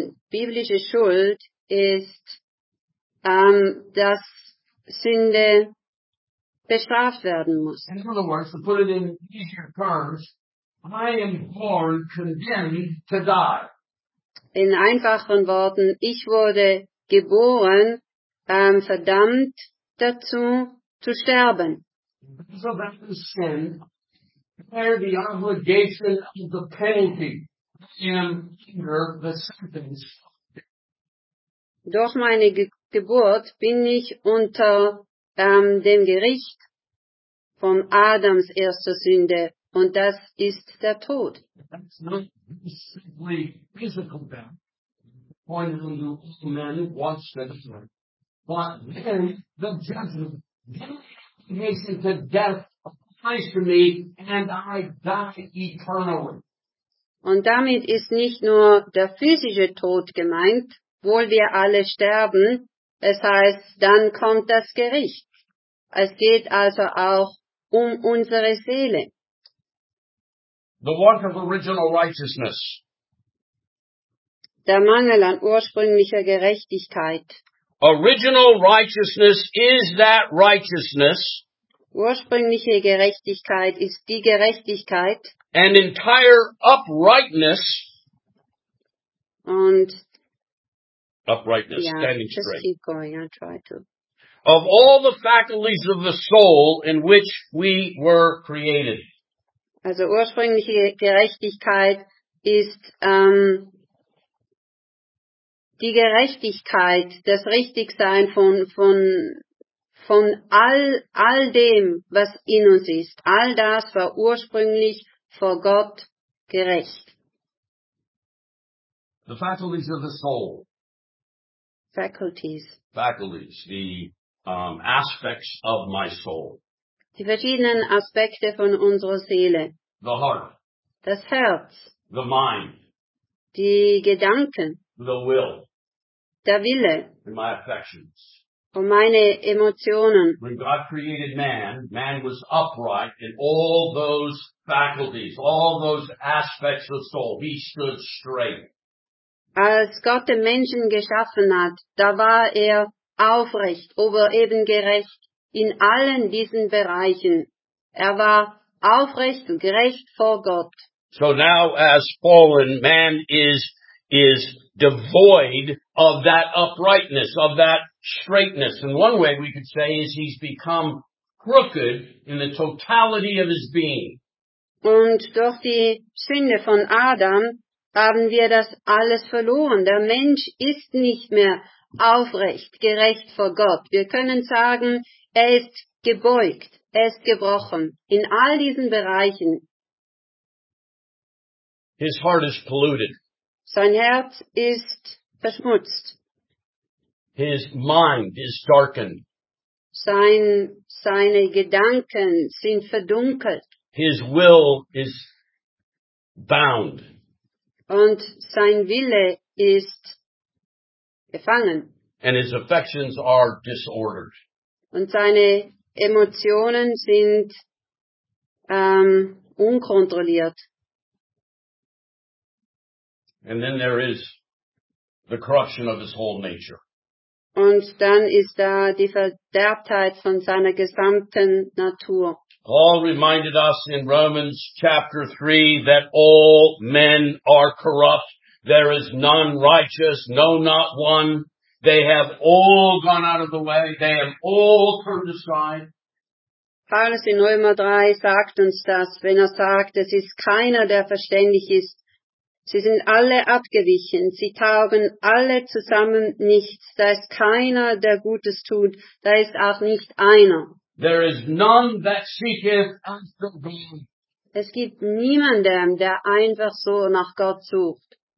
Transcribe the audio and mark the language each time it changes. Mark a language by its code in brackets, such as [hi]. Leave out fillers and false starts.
[de] Biblische Schuld ist, dass Sünde bestraft werden muss. [en] In other words, to put it in easier terms, I am born condemned to die. [de] In einfachen Worten, ich wurde geboren, verdammt dazu zu sterben. [en] So that is sin, bear the obligation of the penalty and under the sentence. [de] Durch meine Geburt bin ich unter dem Gericht von Adams erster Sünde. Und das ist der Tod. [en] That's not simply physical death. The point is the man who wants to die. But then the judgment, then the obligation to death applies to me and I die eternally. [de] Und damit ist nicht nur der physische Tod gemeint, wohl wir alle sterben. Es heißt, dann kommt das Gericht. Es geht also auch unsere Seele. [en] The want of original righteousness. [de] Der Mangel an ursprünglicher Gerechtigkeit. [en] Original righteousness is that righteousness. [de] Ursprüngliche Gerechtigkeit ist die Gerechtigkeit. [en] And entire uprightness. [de] Und [en] uprightness, standing straight. Just keep going, I'll try to. of all the faculties of the soul in which we were created. [de] Also ursprüngliche Gerechtigkeit ist die Gerechtigkeit, das Richtigsein von all dem, was in uns ist. All das war ursprünglich vor Gott gerecht. [en] The faculties of the soul. Faculties. Faculties, the aspects of my soul. [de] Die verschiedenen Aspekte von unserer Seele. [en] The heart. [de] Das Herz. [en] The mind. [de] Die Gedanken. [en] The will. [de] Der Wille. [en] And my affections. [de] Und meine Emotionen. [en] When God created man, man was upright in all those faculties, all those aspects of soul. He stood straight. [de] Als Gott den Menschen geschaffen hat, da war er aufrecht, aber eben gerecht in allen diesen Bereichen. Er war aufrecht und gerecht vor Gott. [en] So now as fallen, man is devoid of that uprightness, of that straightness. And one way we could say is he's become crooked in the totality of his being. [de] Und durch die Sünde von Adam haben wir das alles verloren. Der Mensch ist nicht mehr aufrecht, gerecht vor Gott. Wir können sagen, er ist gebeugt, er ist gebrochen in all diesen Bereichen. [en] His heart is polluted. [de] Sein Herz ist verschmutzt. [en] His mind is darkened. [de] Seine Gedanken sind verdunkelt. [en] His will is bound. [de] Und sein Wille ist gefangen. [en] And his affections are disordered. [de] Und seine Emotionen sind unkontrolliert. [en] And then there is the corruption of his whole nature. [de] Und dann ist da die Verderbtheit von seiner gesamten Natur. [en] Paul reminded us in Romans chapter 3 that all men are corrupt. There is none righteous, no, not one. They have all gone out of the way. They have all turned aside. [de] Paulus in Römer 3 sagt uns das, wenn er sagt, es ist keiner, der verständig ist. Sie sind alle abgewichen. Sie taugen alle zusammen nichts. Da ist keiner, der Gutes tut. Da ist auch nicht einer. [en] There is none that seeketh after God. [de] Es gibt niemanden, der einfach so nach Gott sucht.